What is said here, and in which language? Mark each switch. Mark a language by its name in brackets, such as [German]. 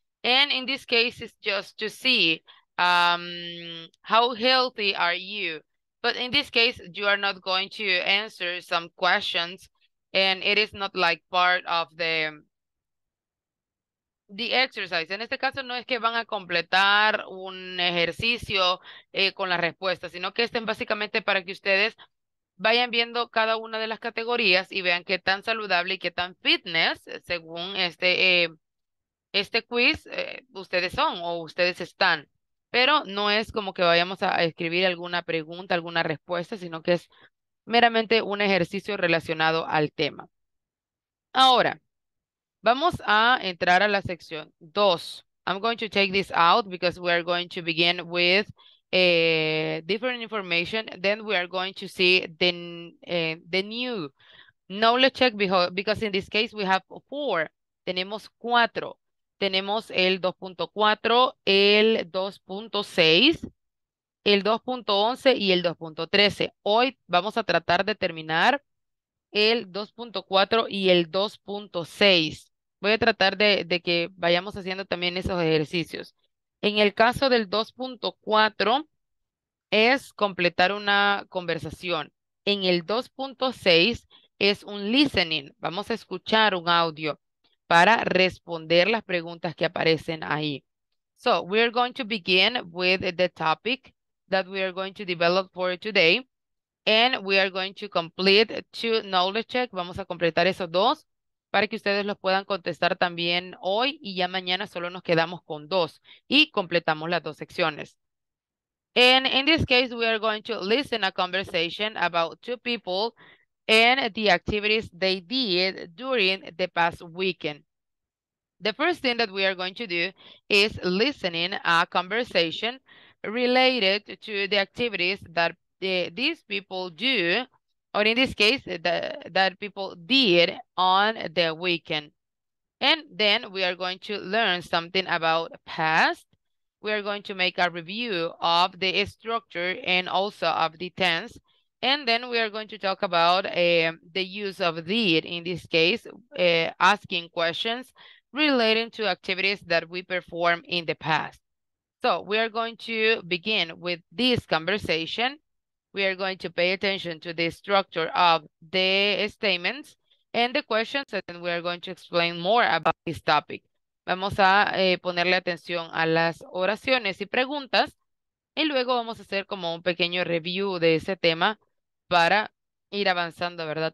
[English] And in this case, it's just to see how healthy are you. But in this case, you are not going to answer some questions, and it is not like part of the exercise. [Spanish] En este caso, no es que van a completar un ejercicio con las respuestas, sino que estén básicamente para que ustedes vayan viendo cada una de las categorías y vean qué tan saludable y qué tan fitness, según este quiz, ustedes son o ustedes están. Pero no es como que vayamos a escribir alguna pregunta, alguna respuesta, sino que es meramente un ejercicio relacionado al tema. Ahora, vamos a entrar a la sección 2. [English] I'm going to take this out because we are going to begin with different information. Then we are going to see the new knowledge check because in this case we have four. [Spanish] Tenemos cuatro. Tenemos el 2.4, el 2.6, el 2.11 y el 2.13. Hoy vamos a tratar de terminar el 2.4 y el 2.6. Voy a tratar de que vayamos haciendo también esos ejercicios. En el caso del 2.4, es completar una conversación. En el 2.6, es un listening. Vamos a escuchar un audio para responder las preguntas que aparecen ahí. [English] So, we are going to begin with the topic that we are going to develop for today. And we are going to complete two knowledge check. [Spanish] Vamos a completar esos dos para que ustedes los puedan contestar también hoy y ya mañana solo nos quedamos con dos y completamos las dos secciones. [English] And in this case, we are going to listen a conversation about two people and the activities they did during the past weekend. The first thing that we are going to do is listening a conversation related to the activities that these people do, or in this case, that people did on the weekend. And then we are going to learn something about past. We are going to make a review of the structure and also of the tense. And then we are going to talk about the use of did in this case, asking questions relating to activities that we perform in the past. So we are going to begin with this conversation. We are going to pay attention to the structure of the statements and the questions, and then we are going to explain more about this topic. [Spanish] Vamos a ponerle atención a las oraciones y preguntas, y luego vamos a hacer como un pequeño review de ese tema para ir avanzando, ¿verdad?